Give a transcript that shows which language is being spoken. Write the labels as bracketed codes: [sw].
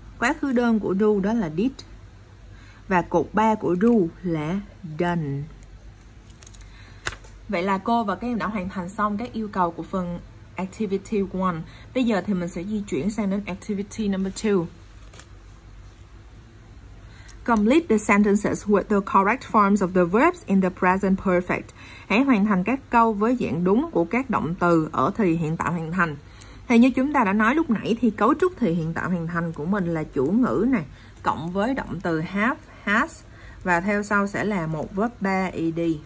[vi] Quá khứ đơn của do đó là did. Và cột 3 của do là done. Vậy là cô và các em đã hoàn thành xong các yêu cầu của phần activity 1. Bây giờ thì mình sẽ di chuyển sang đến [en] activity number 2. Complete the sentences with the correct forms of the verbs in the present perfect. [vi] Hãy hoàn thành các câu với dạng đúng của các động từ ở thì hiện tại hoàn thành. Thì như chúng ta đã nói lúc nãy thì cấu trúc thì hiện tại hoàn thành của mình là chủ ngữ này cộng với động từ have, has và theo sau sẽ là một verb 3 ed.